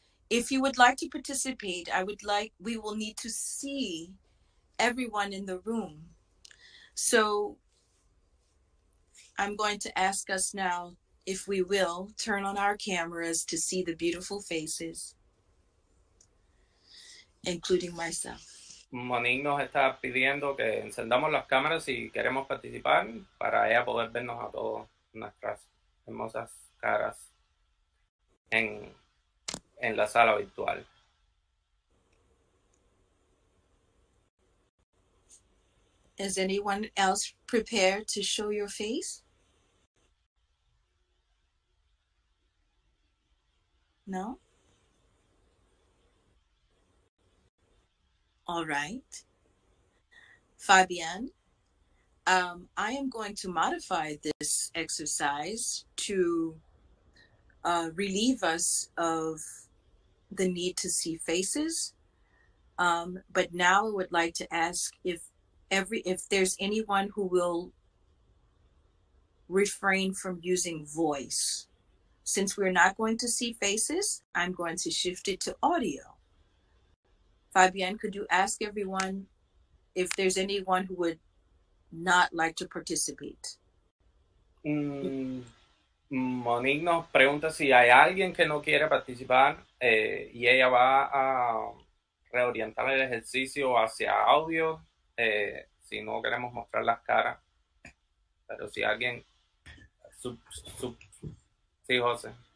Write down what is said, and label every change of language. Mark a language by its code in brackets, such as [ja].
[en] If you would like to participate, we will need to see everyone in the room. So I'm going to ask us now if we will turn on our cameras to see the beautiful faces, including myself. [es] Monique nos está pidiendo que encendamos las cámaras si queremos participar para ella poder vernos a todos nuestras hermosas caras en la sala virtual. [en] Is anyone else prepared to show your face? No? All right. Fabian, I am going to modify this exercise to relieve us of the need to see faces. But now I would like to ask if there's anyone who will refrain from using voice. Since we're not going to see faces, I'm going to shift it to audio. Fabienne, could you ask everyone if there's anyone who would not like to participate? [es] Monique nos pregunta si hay alguien que no quiere participar y ella va a reorientar el ejercicio hacia audio. Si no queremos mostrar las caras, pero si alguien, sí, José.